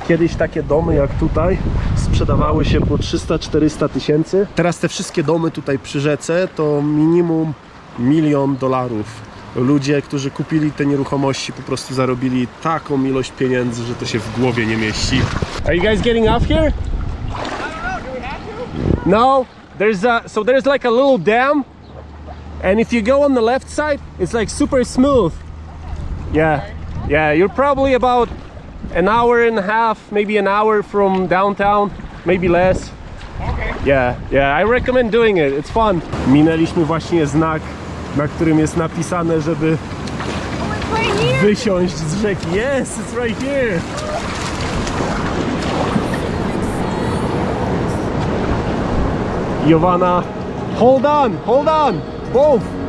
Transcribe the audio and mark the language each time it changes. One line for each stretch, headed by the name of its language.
Polish: Kiedyś takie domy jak tutaj sprzedawały się po 300-400 tysięcy. Teraz te wszystkie domy tutaj przy rzece to minimum $1 milion. Ludzie, którzy kupili te nieruchomości, po prostu zarobili taką ilość pieniędzy, że to się w głowie nie mieści.
English: Are you guys getting off here? I don't know. Do we have to? No. There's like a little dam. And if you go on the left side, it's like super smooth. Yeah. Yeah, you're probably about an hour and a half, maybe an hour from downtown, maybe less. Okay. Yeah, yeah, I recommend doing it. It's fun.
Polish: Minęliśmy właśnie znak, na którym jest napisane, żeby wysiąść z rzeki.
English: Yes, it's right here. Jovana, hold on, both.